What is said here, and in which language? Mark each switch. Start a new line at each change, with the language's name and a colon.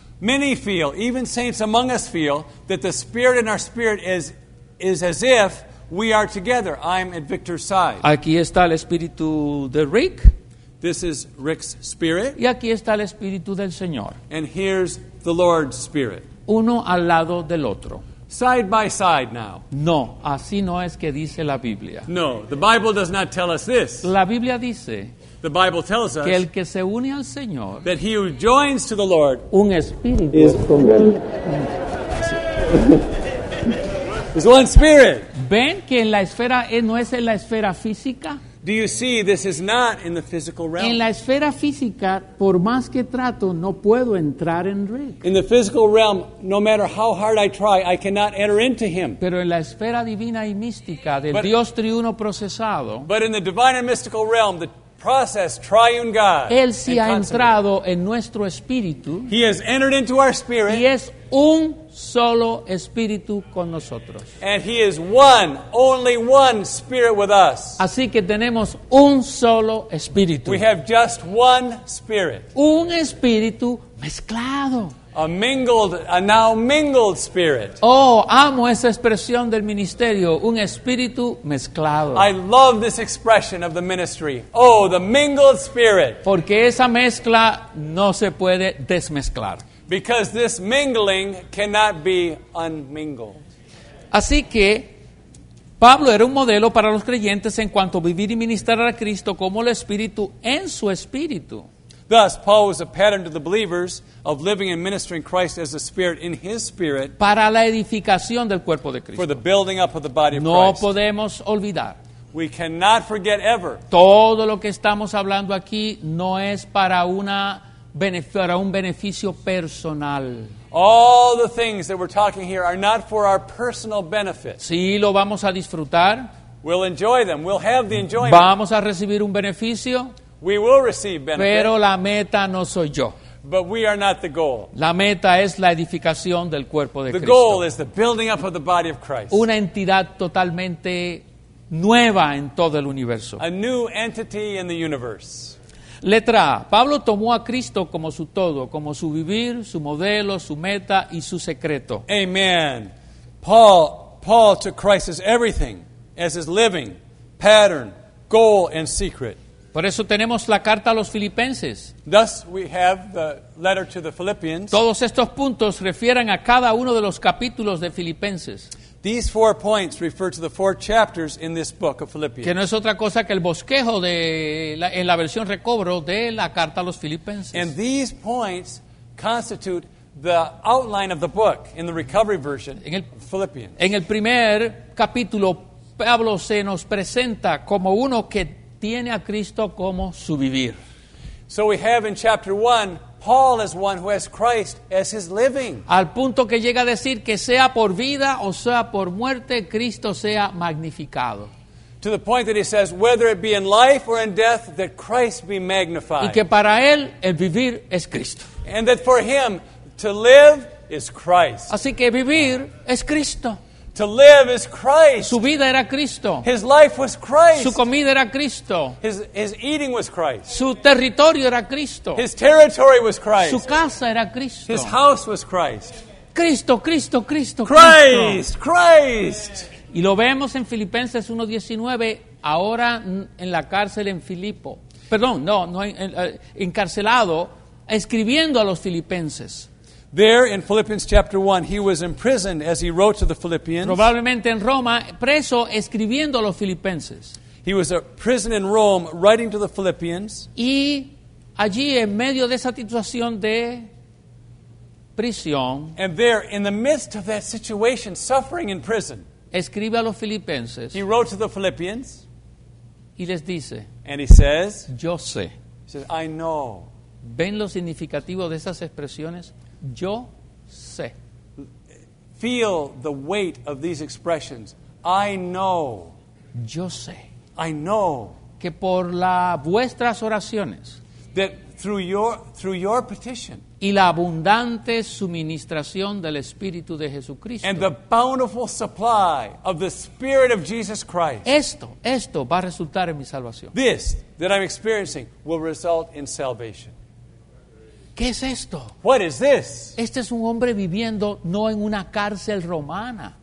English: Many feel, even saints among us feel, that the spirit in our spirit is as if we are together. I'm at Victor's side.
Spanish: Aquí está el espíritu de Rick.
English: This is Rick's spirit.
Spanish: Y aquí está el espíritu del Señor.
English: And here's the Lord's spirit.
Spanish: Uno al lado del otro.
English: Side by side now.
Spanish: No, así no es que dice la Biblia.
English: No, the Bible does not tell us this.
Spanish: La Biblia dice,
English: the Bible tells us,
Spanish: que el que se une al Señor,
English: that he who joins to the Lord,
Spanish: un espíritu
English: is from him. Is one spirit.
Spanish: ¿Ven que en la esfera no es en la esfera física?
English: Do you see this is not in the physical realm?
Spanish: En la esfera física, por más que trato, no puedo entrar en Rick.
English: In the physical realm, no matter how hard I try, I cannot enter into him.
Spanish: Pero en la esfera divina y mística del Dios triuno procesado,
English: but in the divine and mystical realm, the process triune God.
Spanish: Él sí ha entrado en nuestro espíritu.
English: He has entered into our spirit.
Spanish: Y es un solo espíritu con nosotros.
English: And he is one, only one spirit with us.
Spanish: Así que tenemos un solo espíritu.
English: We have just one spirit.
Spanish: Un espíritu mezclado.
English: A now mingled spirit.
Spanish: Oh, amo esa expresión del ministerio, un espíritu mezclado.
English: I love this expression of the ministry. Oh, the mingled spirit.
Spanish: Porque esa mezcla no se puede desmezclar.
English: Because this mingling cannot be unmingled.
Spanish: Así que Pablo era un modelo para los creyentes en cuanto a vivir y ministrar a Cristo como el espíritu en su espíritu.
English: Thus, Paul was a pattern to the believers of living and ministering Christ as the Spirit in his spirit.
Spanish: Para la edificación del cuerpo de Cristo.
English: For the building up of the body of no Christ.
Spanish: No podemos olvidar.
English: We cannot forget ever.
Spanish: Todo lo que estamos hablando aquí no es para un beneficio personal.
English: All the things that we're talking here are not for our personal benefit.
Spanish: Sí, lo vamos a disfrutar.
English: We'll enjoy them. We'll have the enjoyment.
Spanish: Vamos a recibir un beneficio.
English: We will receive benefit.
Spanish: Pero la meta no soy yo.
English: But we are not the goal.
Spanish: La meta es la edificación del cuerpo de Cristo.
English: The goal is the building up of the body of Christ.
Spanish: Una entidad totalmente nueva en todo el universo.
English: A new entity in the universe.
Spanish: Letra A. Pablo tomó a Cristo como su todo, como su vivir, su modelo, su meta y su secreto.
English: Amen. Paul Paul took Christ as everything, as his living pattern, goal, and secret.
Spanish: Por eso tenemos la carta a los Filipenses.
English: Thus we have the letter to the Philippians.
Spanish: Todos estos puntos refieren a cada uno de los capítulos de Filipenses.
English: These four points refer to the four chapters in this book of Philippians.
Spanish: Que no es otra cosa que el bosquejo de la, en la versión recobro de la carta a los Filipenses.
English: And these points constitute the outline of the book in the recovery version of Philippians.
Spanish: En el primer capítulo, Pablo se nos presenta como uno que tiene a Cristo como su vivir.
English: So we have in chapter 1, Paul is one who has Christ as his living.
Spanish: Al punto que llega a decir que sea por vida o sea por muerte, Cristo sea magnificado.
English: To the point that he says, whether it be in life or in death, that Christ be magnified.
Spanish: Y que para él, el vivir es Cristo.
English: And that for him, to live is Christ.
Spanish: Así que vivir es Cristo.
English: To live is Christ.
Spanish: Su vida era Cristo.
English: His life was Christ.
Spanish: Su comida era Cristo.
English: His eating was Christ.
Spanish: Su territorio era Cristo.
English: His territory was Christ.
Spanish: Su casa era Cristo.
English: His house was Christ.
Spanish: Cristo, Cristo, Cristo,
English: Christ, Christ.
Spanish: Y lo vemos en Filipenses 1:19, ahora en la cárcel en Filipo. Perdón, no, no encarcelado, escribiendo a los Filipenses.
English: There in Philippians chapter 1, he was imprisoned as he wrote to the Philippians.
Spanish: Probablemente en Roma, preso escribiendo a los Filipenses.
English: He was a prison in Rome writing to the Philippians.
Spanish: Y allí en medio de esa situación de prisión.
English: And there in the midst of that situation, suffering in prison.
Spanish: Escribe a los Filipenses.
English: He wrote to the Philippians.
Spanish: Y les dice.
English: And he says.
Spanish: Yo sé.
English: He says, I know.
Spanish: ¿Ven lo significativo de esas expresiones? Yo sé.
English: Feel the weight of these expressions. I know.
Spanish: Yo sé.
English: I know.
Spanish: Que por la vuestras oraciones.
English: That through your petition.
Spanish: Y la abundante suministración del Espíritu de Jesucristo.
English: And the bountiful supply of the Spirit of Jesus Christ.
Spanish: Esto va a resultar en mi salvación.
English: This that I'm experiencing will result in salvation.
Spanish: ¿Qué es esto?
English: What is this?
Spanish: Este es un hombre viviendo no en una cárcel romana.